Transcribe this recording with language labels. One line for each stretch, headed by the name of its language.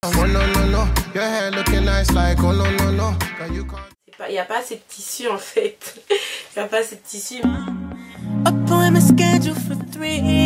English: Oh no no no, your hair looking nice like oh no no no. Girl, you can't...
French: C'est pas, y a pas assez de tissu en fait. Y a pas assez de tissu.
English: Appointment scheduled for 3.